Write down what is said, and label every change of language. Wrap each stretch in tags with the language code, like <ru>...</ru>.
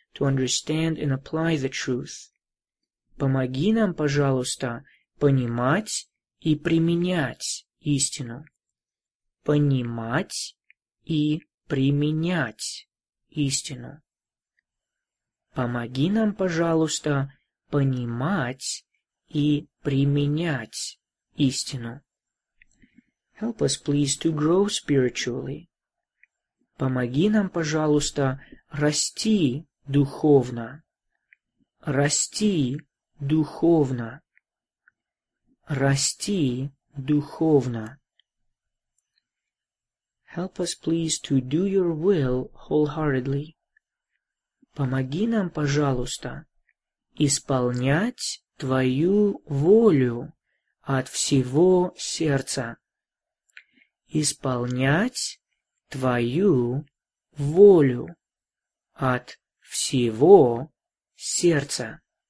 <en>To understand and apply the truth.</en> <ru>Помоги нам, пожалуйста, понимать и применять истину. Понимать и применять истину. Помоги нам, пожалуйста, понимать и применять истину.</ru> <en>Help us, please, to grow spiritually.</en> <ru>Помоги нам, пожалуйста, расти духовно. Расти духовно. Расти духовно.</ru> <en>Help us, please, to do your will wholeheartedly.</en> <ru>Помоги нам, пожалуйста, исполнять твою волю от всего сердца. Исполнять твою волю от всего сердца.</ru>